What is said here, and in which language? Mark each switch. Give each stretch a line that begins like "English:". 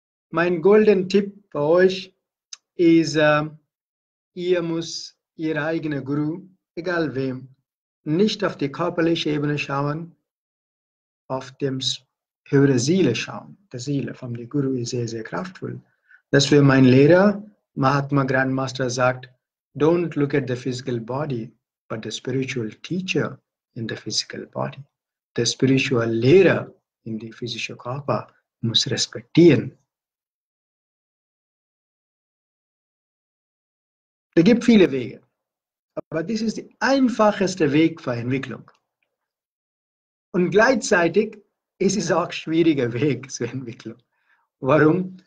German: Mein golden Tipp für euch ist, ihr müsst ihr eigener Guru, egal wem, nicht auf die körperliche Ebene schauen, auf dem höhere Seele schauen. Die Seele vom Guru ist sehr, sehr kraftvoll. Das will mein Lehrer, Mahatma Grandmaster, sagt,
English: don't look at the physical body,
German: but the spiritual teacher in the physical body. Der spirituelle Lehrer in dem physischen Körper muss respektieren. Es gibt viele Wege, aber das ist der einfachste Weg für Entwicklung. Und gleichzeitig ist es auch ein schwieriger Weg zu entwickeln. Warum?